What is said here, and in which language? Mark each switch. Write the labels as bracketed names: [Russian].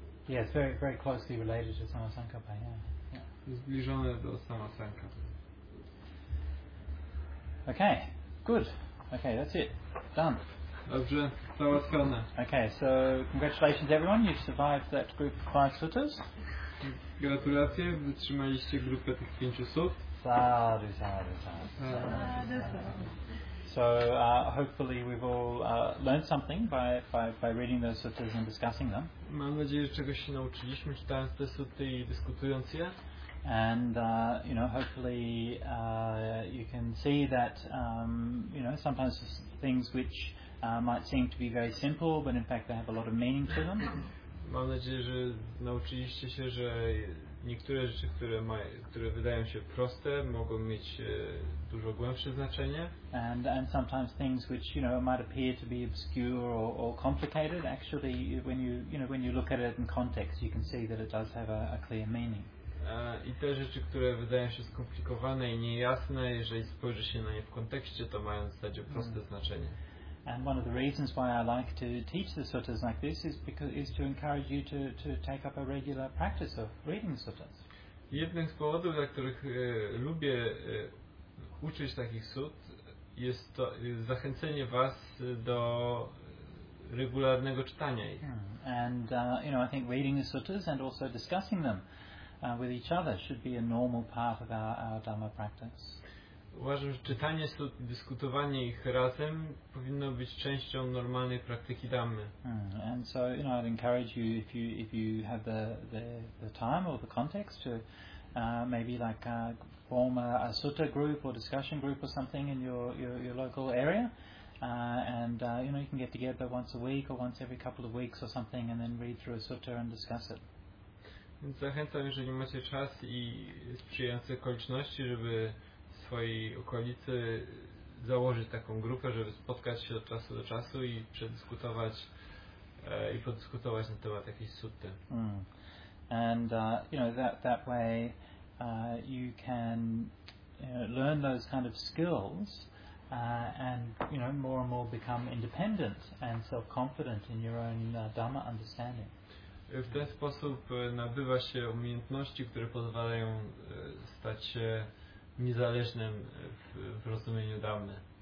[English] Yes, very very closely related to samasankappa. Yeah. [Polish] Zbliżone do samasankappa. [English] Okay, good. Okay, that's it. Done. [Polish] Dobrze, załatwione. [English] Okay, so congratulations everyone, you've survived that group of five sutras. [Polish] Gratulacje, wytrzymaliście grupę tych pięciu sut. [Pali] Sadu, sadu, sadu. [English] So hopefully we've all learned something by reading those sutras and discussing them. [Polish] Mam nadzieję, że czegoś się nauczyliśmy, czytając te suty i dyskutując je. [English] And you know, hopefully you can see that you know, sometimes things which might seem to be very simple, but in fact they have a lot of meaning to them. [Polish] Mam nadzieję, że nauczyliście się, że niektóre rzeczy, które wydają się proste, mogą mieć dużo głębsze znaczenie. [English] And sometimes things which, you know, might appear to be obscure or complicated, actually when you look at it in context, you can see that it does have a clear meaning. [Polish] I te rzeczy, które wydają się skomplikowane i niejasne, jeżeli spojrzy się na nie w kontekście, to mają w zasadzie proste znaczenie. [English] And one of the reasons why I like to teach the suttas like this is to encourage you to take up a regular practice of reading the suttas. [Polish] Jednym z powodów, dla których lubię uczyć takich sut jest to zachęcenie was do regularnego czytania ich. [English] And you know, I think reading the suttas and also discussing them with each other should be a normal part of our dharma practice. [Polish] Uważam, że czytanie sut i dyskutowanie ich razem powinno być częścią normalnej praktyki dhammy. [English] And so, you know, I'd encourage you if you have the time or the context to maybe like form a sutta group or discussion group or something in your local area. You know, you can get together once a week or once every couple of weeks or something and then read through a sutta and discuss it. [Polish] Więc zachęcam, jeżeli macie czas i sprzyjające okoliczności, żeby w swojej okolicy założyć taką grupę, żeby spotkać się od czasu do czasu i przedyskutować i podyskutować na temat jakiejś sutty. [English] You know, that way you can learn those kind of skills. You know, more and more become independent and self-confident in your own dhamma understanding. [Polish] W ten sposób nabywa się umiejętności, które pozwalają stać się niezależnym w rozumieniu dhammy.